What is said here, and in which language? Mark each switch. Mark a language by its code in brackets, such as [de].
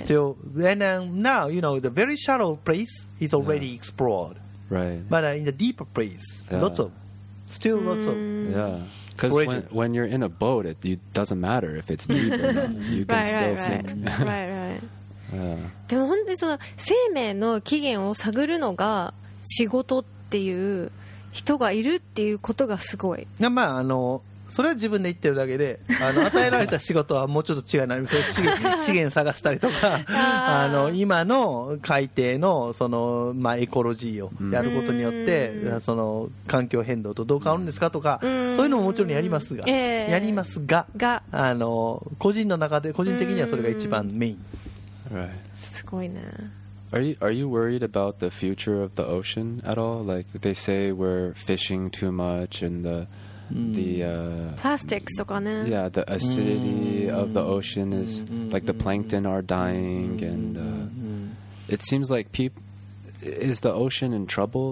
[en] Still, and then now, you know, the very shallow place is already explored. Right. But in the deeper place, lots of, still lots of. Yeah. Because when you're in a boat, it doesn't matter if it's deep. Or not. You can right, still right, sink. Right, right. Yeah. [ja] でも本当にその生命の起源を探るのが仕事っていう。人がいるっていうことがすごい。まあそれは自分で言ってるだけで、与えられた仕事はもうちょっと違いない。それ資源探したりとか、今の海底のその、まあ、エコロジーをやることによって、うん、その環境変動とどう変わるんですかとか、うん、そういうのももちろんやりますが、やりますが、個人の中で個人的にはそれが一番メイン。 [en] Right. [ja] すごいね。 [en] Are you worried about the future of the ocean at all? Like they say we're fishing too much and [ja] plastics とかね。 [en] Yeah, the acidity of the ocean is like the plankton are dying and it seems like is the ocean in trouble?